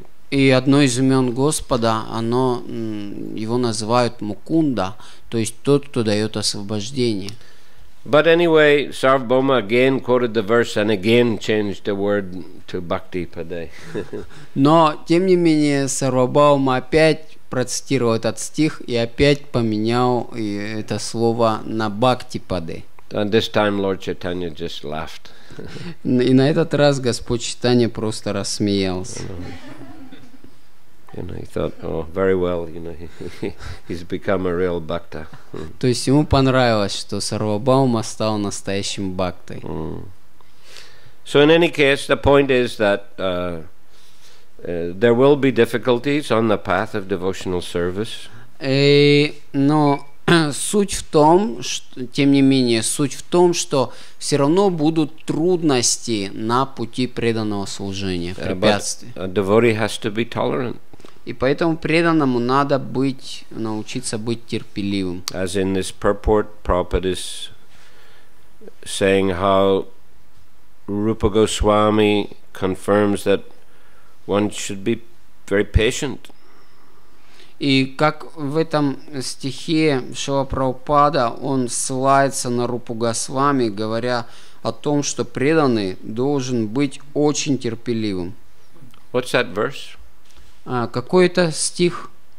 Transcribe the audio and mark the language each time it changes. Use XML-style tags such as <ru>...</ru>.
<ru>И одно из имен Господа, оно, его называют Мукунда, то есть тот, кто дает освобождение.</ru> <en>But anyway, Sarvabhauma again quoted the verse and again changed the word to bhakti pade.</en> <ru>Но тем не менее Сарвабхаума опять процитировал этот стих и опять поменял это слово на бхакти паде.</ru> <en>And this time Lord Chaitanya just laughed.</en> <ru>И на этот раз Господь Чайтанья просто рассмеялся.</ru> <en>You know, he thought, oh, very well, you know, he's become a real bhakta.</en> <ru>То есть ему понравилось, что Сарвабхаума стал настоящим бхактой.</ru> <en>So in any case, the point is that there will be difficulties on the path of devotional service.</en> <ru>Но суть в том, что, тем не менее, суть в том, что все равно будут трудности на пути преданного служения, препятствия.</ru> <en>But a devotee has to be tolerant.</en> <ru>И поэтому преданному надо быть, научиться быть терпеливым.</ru> <en>As in this purport, Prabhupada is saying how Rupa Goswami confirms that one should be very patient.</en> <ru>И как в этом стихе Шрила Прабхупада, он ссылается на Рупу Госвами, говоря о том, что преданный должен быть очень терпеливым.</ru> <en>What's that verse?</en> <ru>Какой это стих?</ru>